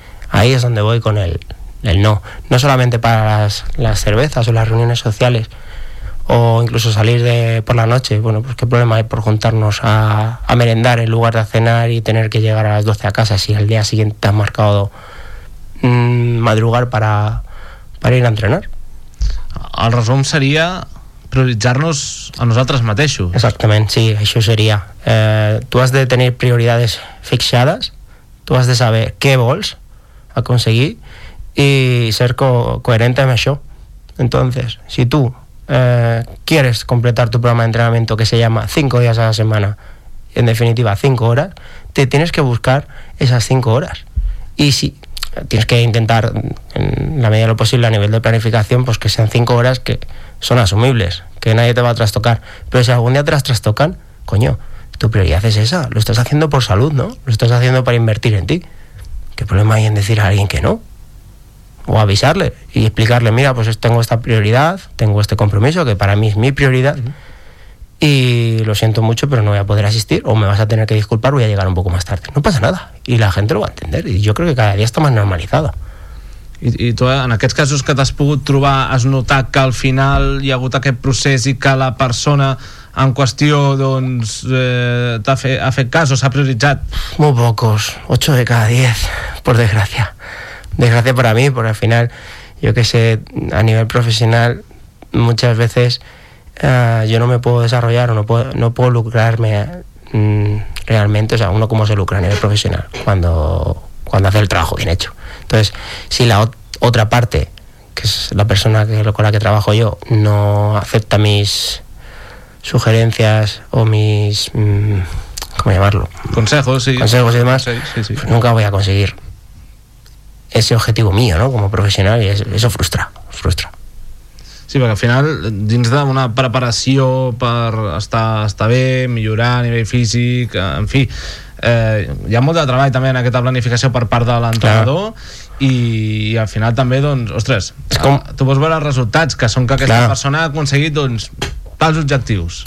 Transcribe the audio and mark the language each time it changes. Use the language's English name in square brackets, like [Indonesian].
[Spanish] Ahí es donde voy con el no. No solamente para las cervezas o las reuniones sociales o incluso salir por la noche. Bueno, pues qué problema hay por juntarnos a merendar en lugar de a cenar y tener que llegar a las 12 a casa si al día siguiente te has marcado madrugar para ir a entrenar. [Catalan] El resum seria prioritzar-nos a nosaltres mateixos. Exactament, sí, això seria. Tu has de tenir prioritats fixades, tu has de saber què vols aconseguir i ser coherent amb això. [Spanish] Entonces, si tu quieres completar tu programa [Catalan] d'entrenament [Spanish] que se llama 5 días a la semana, en definitiva [Catalan] 5 hores, [Spanish] te tienes que buscar esas 5 hores. Y si tienes que intentar en la medida de lo posible a nivel de planificación pues que sean 5 horas que son asumibles, que nadie te va a trastocar, pero si algún día te las trastocan, coño, tu prioridad es esa, lo estás haciendo por salud, ¿no? Lo estás haciendo para invertir en ti. ¿Qué problema hay en decir a alguien que no? O avisarle y explicarle, mira, pues tengo esta prioridad, tengo este compromiso que para mí es mi prioridad y lo siento mucho, pero no voy a poder asistir, o me vas a tener que disculpar, voy a llegar un poco más tarde. No pasa nada, y la gente lo va a entender, y yo creo que cada día está más normalizado. [Catalan] I tu, en aquests casos que t'has pogut trobar, has notat que al final hi ha hagut aquest procés i que la persona en qüestió, doncs, ha fet cas o s'ha prioritzat? [Spanish] Muy pocos, 8 de cada 10, por desgracia. Desgracia para mí, porque al final, yo que sé, a nivel profesional, muchas veces yo no me puedo desarrollar o no puedo lucrarme realmente. O sea, uno cómo se lucra a nivel profesional cuando hace el trabajo bien hecho. Entonces, si la otra parte, que es la persona con la que trabajo yo, no acepta mis sugerencias o mis ¿cómo llamarlo? consejos y demás, sí. Pues nunca voy a conseguir ese objetivo mío, ¿no? Como profesional, y eso frustra. [Catalan] Sí, perquè al final, dins d'una preparació per estar bé, millorar a nivell físic, en fi, hi ha molt de treball també en aquesta planificació per part de l'entrenador, i al final també, doncs, ostres, tu vols veure els resultats, que són que aquesta persona ha aconseguit, doncs, tals objectius.